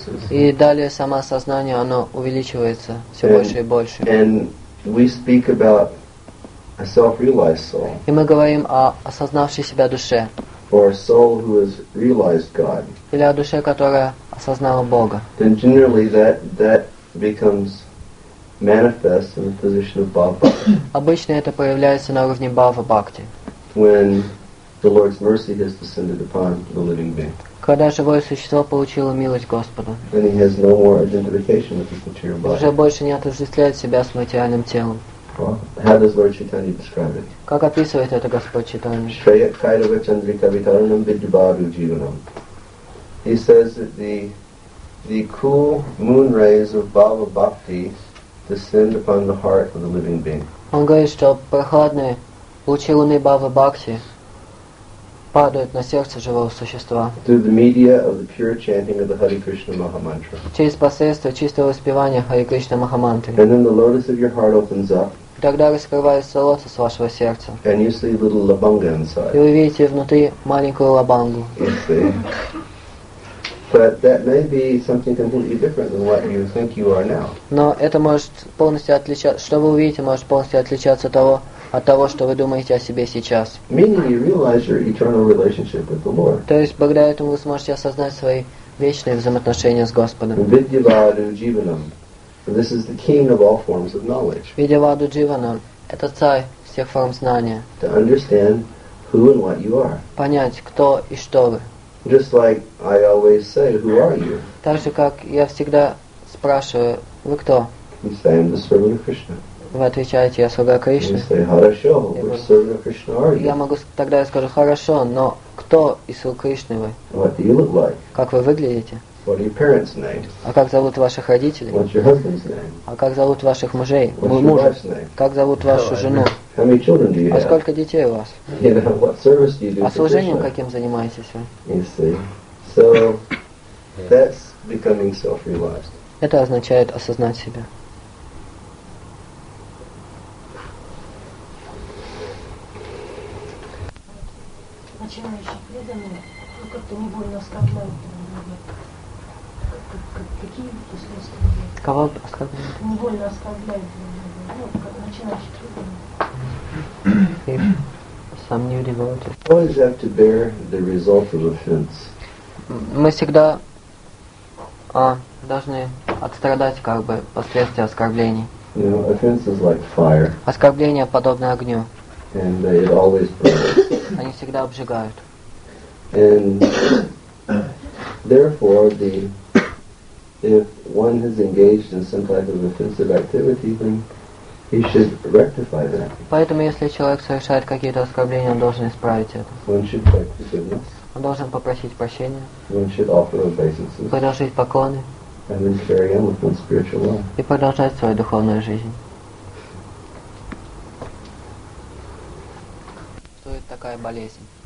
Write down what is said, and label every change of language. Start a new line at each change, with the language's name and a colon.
Russian: И далее самоосознание, оно увеличивается все больше и больше.
English: And we speak about a self-realized soul.
Russian: И мы говорим о осознавшей себя душе.
English: Or a soul who has realized God.
Russian: Или о душе, которая осознала Бога.
English: Then generally that becomes manifest in the position of Bhava Bhakti.
Russian: Обычно это проявляется на уровне Бхава Бхакти.
English: When the Lord's mercy has descended upon the living being.
Russian: Когда живое существо получило милость Господа.
English: Then he has no more identification with his material body.
Russian: Уже больше не отождествляет себя с материальным телом.
English: Well, how does Lord Chaitanya describe it?
Russian: Как описывает это Господь Чайтанья?
Sanskrit: Shreyat Kairava Chandrika Vitaranam Vidyabhavu Jivanam.
English: He says that the cool moon rays of Bhava Bhakti descend upon the heart of the living being.
Russian: Он говорит, что прохладные лучи луны Бхава Бхакти падают на сердце живого существа.
English: Through the media of the pure chanting of the Hare Krishna Maha Mantra.
Russian: Через посредство чистого воспевания Hare Krishna Maha Mantra.
English: And then the lotus of your heart opens up.
Russian: И тогда раскрывается лотос вашего сердца.
English: And you see a little labanga inside.
Russian: И вы видите внутри маленькую лабангу.
English: You see. But that may be something completely different than what you think you are now.
Russian: Но это может полностью отличаться. Что вы увидите, может полностью отличаться от того, что вы думаете о себе сейчас.
English: Meaning you realize your eternal relationship with the Lord.
Russian: То есть благодаря этому вы сможете осознать свои вечные взаимоотношения с Господом.
Sanskrit: Vidyavadu Jivanam.
English: This is the king of all forms of knowledge.
Sanskrit: Vidyavadu Jivanam
Russian: — это царь всех форм знания.
English: To understand who and what you are.
Russian: Понять, кто и что вы.
English: Just like I always say, who are you?
Russian: Так же, как я всегда спрашиваю, вы кто?
English: You say, I'm the servant of Krishna.
Russian: Вы отвечаете, я слуга Кришны.
English: You say,
Russian: хорошо,
English: which servant of Krishna are you?
Russian: Я могу, тогда я скажу, хорошо, но кто из слуг Кришны вы?
English: What do you look like?
Russian: Как вы выглядите?
English: What are your parents' names?
Russian: А как зовут ваших родителей?
English: What's your husband's name?
Russian: А как зовут ваших мужей?
English: What's
Russian: муж?
English: Your wife's name?
Russian: Как зовут вашу жену?
English: How many children do you have?
Russian: А сколько детей у вас?
English: You know, what service do you do?
Russian: А служением каким занимаетесь вы?
English: You see. So, that's becoming self-realized.
Russian: Это означает осознать себя. Начинающий преданный, ну как-то не больно оскорбляют друг друга. Какие последствия? Кого оскорбляют? Не больно оскорбляют друг друга. Ну, как начинающий преданный.
English: Some new devotees. Always have to bear the result of offense.
Russian: Мы всегда должны отстрадать как бы последствия оскорблений.
English: You know, offense is like fire.
Russian: Оскорбление подобно огню.
English: And they always burn.
Russian: Они всегда обжигают.
English: And therefore, the if one has engaged in some type of offensive activity, then he should rectify that.
Russian: Поэтому, если человек совершает какие-то оскорбления, он должен исправить это.
English: One should beg forgiveness.
Russian: Он должен попросить прощения.
English: One should offer obeisances.
Russian: Подложить поклоны.
English: And then carry on with one's spiritual life.
Russian: И продолжать свою духовную жизнь. Такая болезнь.